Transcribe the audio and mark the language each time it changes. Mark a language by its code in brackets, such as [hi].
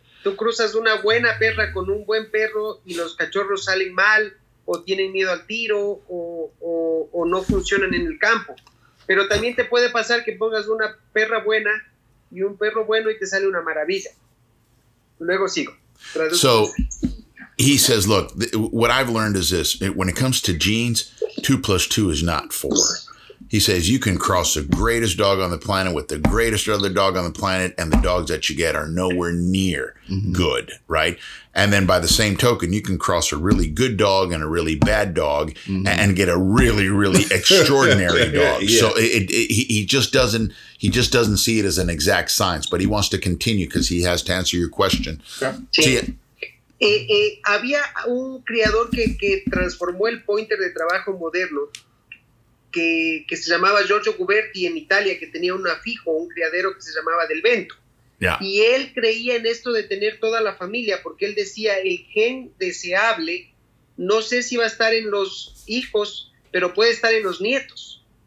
[es] Tú cruzas una buena perra con un buen perro y los cachorros salen mal o tienen miedo al tiro o no funcionan en el campo. Pero también te puede pasar que pongas una perra buena y un perro bueno y te sale una maravilla. [en] So he says, look, what I've learned is this. When it comes to genes, 2 + 2 is not 4. He says, you can cross the greatest dog on the planet with the greatest other dog on the planet, and the dogs that you get are nowhere near good, right? And then by the same token, you can cross a really good dog and a really bad dog and get a really, really extraordinary dog. Yeah. So he just doesn't see it as an exact science, but he wants to continue because he has to answer your question. Okay. See ya. [es] Había un criador que transformó el pointer de trabajo moderno que se llamaba Giorgio Guberti en Italia, que tenía un afijo, un criadero que se llamaba Del Vento. [en] Yeah. [es] Y él creía en esto de tener toda la familia, porque él decía, el gen deseable, no sé si va a estar en los hijos, pero puede estar en los nietos.